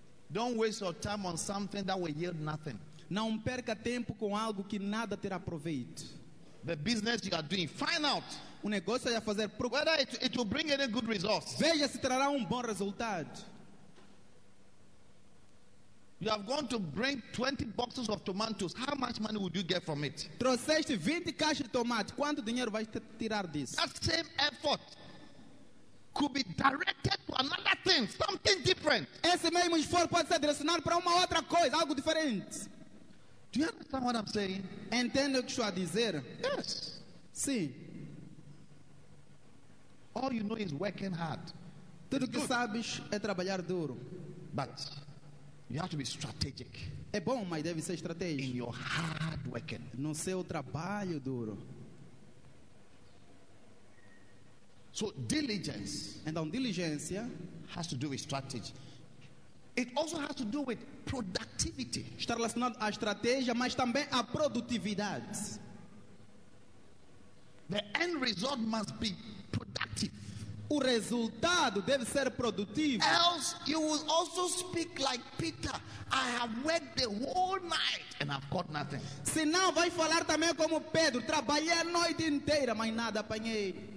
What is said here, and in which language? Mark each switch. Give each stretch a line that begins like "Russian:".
English: Don't waste your time on something that will yield nothing.
Portuguese: Não perca tempo com algo que nada terá proveito.
English: The business you are doing, find out
Portuguese: o negócio a fazer,
English: whether it will bring any good results.
Portuguese: Veja se trará bom resultado.
English: You have gone to bring 20 boxes of tomatoes. How much money would you get from it?
Portuguese: Trouxeste 20 caixas de tomate. Quanto dinheiro vais tirar disso?
English: That same effort could be directed to another thing, something different.
Portuguese: Esse mesmo esforço pode ser direcionado para uma outra coisa, algo diferente.
English: Do you understand what I'm saying?
Portuguese: Entendo o que estou a dizer?
English: Yes.
Portuguese: Sim.
English: All you know is working hard.
Portuguese: Tudo que sabes é trabalhar duro.
English: But you have to be strategic.
Portuguese: É bom, mas deve ser estratégico.
English: In your hard working.
Portuguese: No seu trabalho duro.
English: So diligence.
Portuguese: Então diligência
English: has to do with strategy. It also has to do with productivity. productivity.
Portuguese: Está relacionado à estratégia, mas também à produtividade.
English: The end result must be productive.
Portuguese: O resultado deve ser produtivo.
English: Else you will also speak like Peter. I have worked the whole night and I've got nothing.
Portuguese: Senão vai falar também como Pedro, trabalhei a noite inteira, mas nada apanhei.